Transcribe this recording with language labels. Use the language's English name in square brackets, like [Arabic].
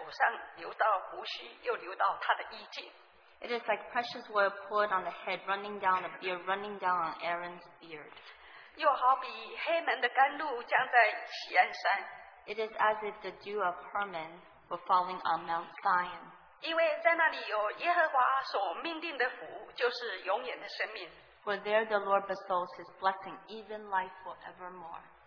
[Chinese] 这好比那贵重的油浇在亚伦的头上，流到胡须，又流到他的衣襟。 [English] It is like precious oil poured on the head, running down the beard, running down on Aaron's beard. [Chinese] 又好比黑门的甘露降在锡安山。 [English] It is as if the dew of Hermon were falling on Mount Zion. [Chinese] 因为在那里有耶和华所命定的福，就是永远的生命。 [English] For there the Lord bestows His blessing, even life forevermore.